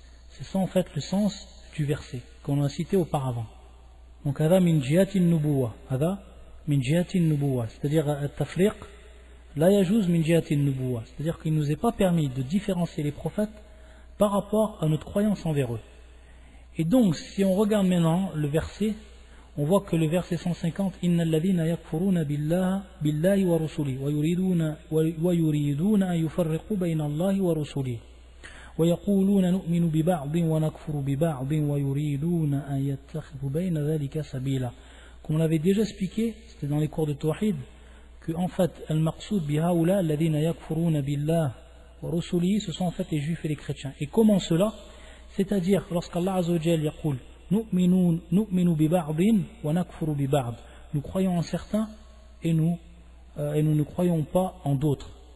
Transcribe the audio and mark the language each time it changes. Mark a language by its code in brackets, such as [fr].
[fr] C'est ça en fait le sens du verset qu'on a cité auparavant. Donc [ar] هذا من جهة النبوة, هذا من جهة النبوة, [fr] c'est-à-dire [ar] التفريق لا يجوز من جهة النبوة, [fr] c'est-à-dire qu'il ne nous est pas permis de différencier les prophètes par rapport à notre croyance envers eux. Et donc si on regarde maintenant le verset, on voit que le verset 150, [ar] إن الذين يكفرون بالله ورسوله ويريدون أن يفرقوا بين الله ورسوله ويقولون نؤمن ببعض ونكفر ببعض ويريدون أن يتخذوا بين ذلك سبيلا. [fr] Comme on l'avait déjà expliqué, c'était dans les cours de Tawhid, que en fait, [ar] المقصود بهؤلاء الذين يكفرون بالله ورسوله, [fr] ce sont en fait les juifs et les chrétiens. Et comment cela? C'est-à-dire lorsqu'Allah عز وجل [ar] يقول نؤمن ببعض ونكفر ببعض, [fr] nous croyons en certains et nous ne croyons pas en d'autres.